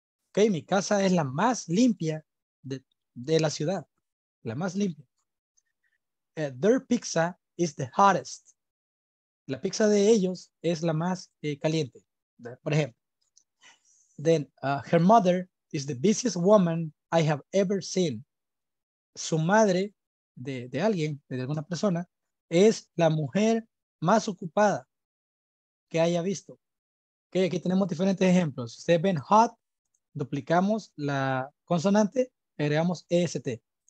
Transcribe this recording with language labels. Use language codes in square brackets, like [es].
[es] Ok, mi casa es la más limpia de la ciudad. La más limpia. [en] Their pizza is the hottest. [es] La pizza de ellos es la más caliente. Por ejemplo. [en] Then, her mother is the busiest woman I have ever seen. [es] Su madre de alguien, de alguna persona, es la mujer más ocupada que haya visto. Ok, aquí tenemos diferentes ejemplos. Ustedes ven hot. Duplicamos la consonante, agregamos EST.